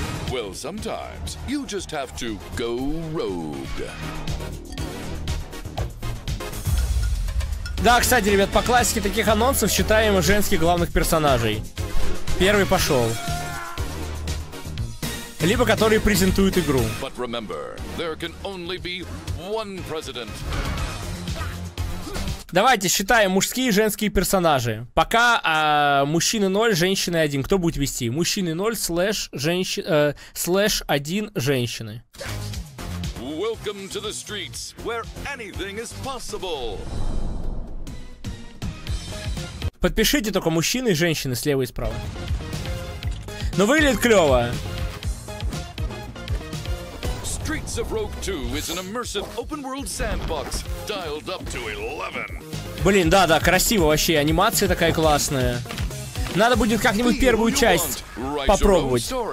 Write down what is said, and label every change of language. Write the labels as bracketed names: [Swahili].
[English] Well, sometimes you just have to go rogue. [Russian] Да, кстати, ребят, по классике таких анонсов считаем женских главных персонажей. Первый пошел. Либо которые презентуют игру. [English] But remember, there can only be one president. [Russian] Давайте считаем мужские и женские персонажи. Пока мужчины 0, женщины 1. Кто будет вести? Мужчины 0, /1 женщины. [English] Welcome to the streets, where anything is possible. [Russian] Подпишите только мужчины и женщины слева и справа. Но выглядит клево. [English] Streets of Rogue 2 is an immersive open world sandbox, dialed up to 11. [Russian] Блин, да-да, красиво вообще, анимация такая классная. Надо будет как-нибудь первую часть попробовать.